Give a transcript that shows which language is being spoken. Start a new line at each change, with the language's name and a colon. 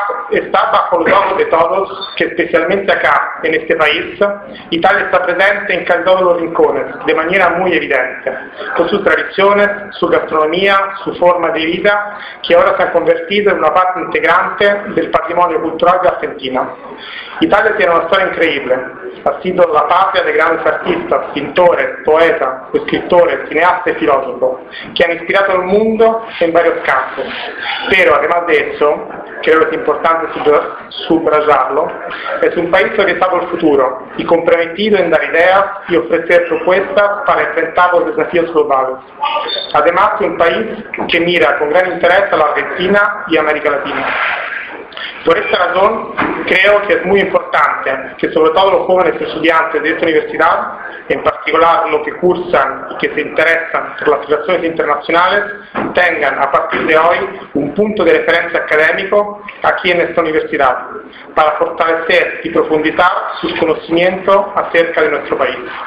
Spanish: Está bajo los ojos de todos que especialmente acá, en este país, Italia está presente en cada uno de los rincones, de manera muy evidente, con sus tradiciones, su gastronomía, su forma de vida, que ahora se ha convertido en una parte integrante del patrimonio cultural de Argentina.
Italian: Italia tiene una storia incredibile,
Spanish: ha sido
Italian: la patria dei grandi artisti, pittore, poeta, scrittore, cineasta e filosofo, che hanno ispirato il mondo in vari campi. Però,
Spanish: además de eso,
Italian: credo sia importante subrayarlo, è un paese orientato al futuro e comprometido in dare idee e offrire proposte per affrontare i desafi globali. Además, è un paese che mira con grande interesse all'Argentina e all'America Latina.
Spanish: Por esta razón, creo que es muy importante que sobre todo los jóvenes estudiantes de esta universidad, en particular los que cursan y que se interesan por las relaciones internacionales, tengan a partir de hoy un punto de referencia académico aquí en esta universidad, para fortalecer y profundizar sus conocimientos acerca de nuestro país.